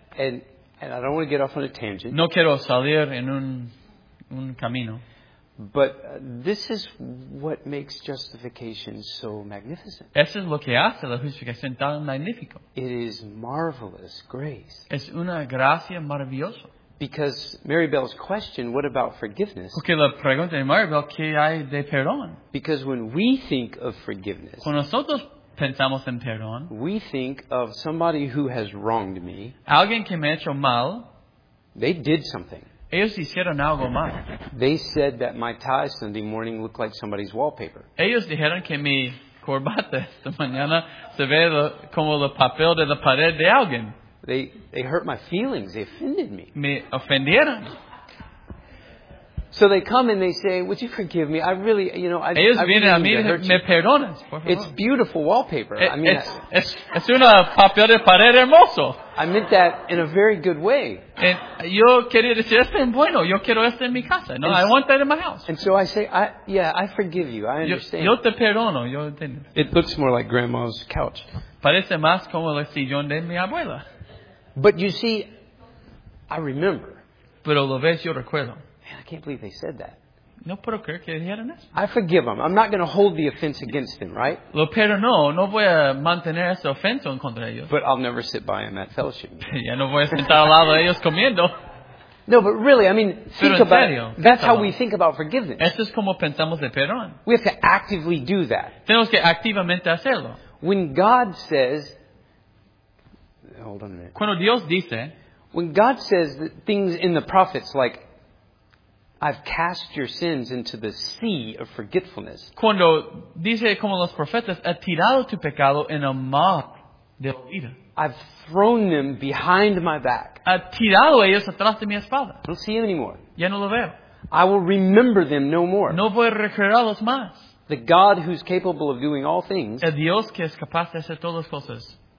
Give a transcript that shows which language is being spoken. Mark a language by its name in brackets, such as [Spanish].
[English] And I don't want to get off on a tangent. [Spanish] No quiero salir en un camino. [English] But this is what makes justification so magnificent. [Spanish] Eso es lo que hace la justificación tan magnífico. [English] It is marvelous grace. [Spanish] Es una gracia maravillosa. [English] Because Mary Bell's question, what about forgiveness? [Spanish] Porque la pregunta de Mary Bell, ¿qué hay de perdón? [English] Because when we think of forgiveness, [Spanish] cuando nosotros pensamos en perdón, [English] we think of somebody who has wronged me. [Spanish] Alguien que me ha hecho mal. [English] They did something. [Spanish] Ellos hicieron algo mal. [English] They said that my tie Sunday morning looked like somebody's wallpaper. [Spanish] Ellos dijeron que mi corbata esta mañana se ve como el papel de la pared de alguien. [English] They hurt my feelings. They offended me. [Spanish] Me ofendieron. [English] So they come and they say, would you forgive me? I really, you know, I [Spanish] ellos vienen a mí y me perdonan. [English] It's beautiful wallpaper. [Spanish] Es una papel de pared hermoso. [English] I meant that in a very good way. [Spanish] And yo quería decir, esto es bueno. Yo quiero esto en mi casa. [English] No, I want that in my house. And so I say, I forgive you. I understand. [Spanish] Yo te perdono. Yo entiendo. [English] It looks more like grandma's couch. [Spanish] Parece más como el sillón de mi abuela. [English] But you see, I remember. [Spanish] Pero lo ves, yo recuerdo. [English] Man, I can't believe they said that. [Spanish] No puedo creer que dijeron eso. [English] I forgive them. I'm not going to hold the offense against them, right? [Spanish] Lo perdono. No voy a mantener esa ofensa en contra de ellos. [English] But I'll never sit by them at fellowship. [Spanish] Ya no voy a sentar al lado de ellos comiendo. [English] No, but really, I mean, think [Spanish] serio, [English] about it. That's how we think about forgiveness. [Spanish] Esto es como pensamos de perdón. [English] We have to actively do that. [Spanish] Tenemos que activamente hacerlo. [English] When God says... Hold on a minute. [Spanish] Cuando Dios dice, [English] when God says that things in the prophets like, I've cast your sins into the sea of forgetfulness. [Spanish] Cuando dice como los profetas, he tirado tu pecado en el mar de olvido. [English] I've thrown them behind my back. [Spanish] He tirado ellos atrás de mi espalda. [English] I don't see them anymore. [Spanish] Ya no lo veo. [English] I will remember them no more. [Spanish] No voy a recordarlos más. [English] The God who's capable of doing all things. [Spanish] El Dios que es capaz de hacer todas las cosas.